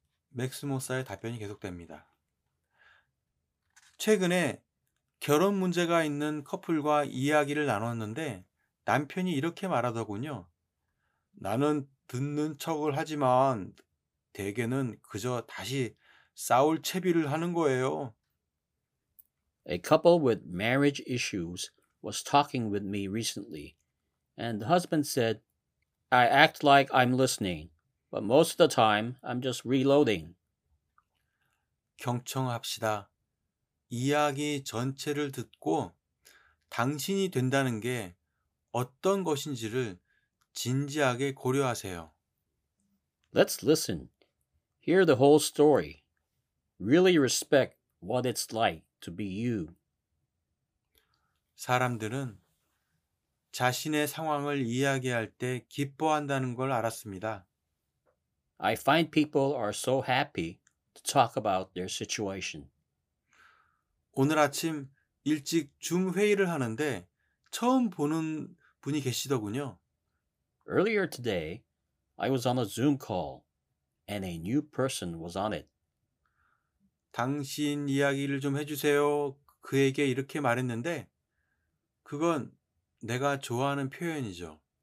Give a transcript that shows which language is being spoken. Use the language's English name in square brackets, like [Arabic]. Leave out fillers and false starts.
[Korean] 맥스 목사의 답변이 계속됩니다. 최근에 결혼 문제가 있는 커플과 이야기를 나눴는데 남편이 이렇게 말하더군요. 나는 듣는 척을 하지만 대개는 그저 다시 싸울 채비를 하는 거예요. [English] A couple with marriage issues was talking with me recently, and the husband said, I act like I'm listening, but most of the time I'm just reloading. [Korean] 경청합시다. 이야기 전체를 듣고 당신이 된다는 게 어떤 것인지를 진지하게 고려하세요. [English] Let's listen. Hear the whole story. Really respect what it's like to be you. [Korean] 사람들은 자신의 상황을 이야기할 때 기뻐한다는 걸 알았습니다. [English] I find people are so happy to talk about their situation. [Korean] 오늘 아침 일찍 줌 회의를 하는데 처음 보는 분이 계시더군요. [English] Earlier today, I was on a Zoom call and a new person was on it. [Korean] 당신 이야기를 좀 해주세요. 그에게 이렇게 말했는데 그건 내가 좋아하는 표현이죠.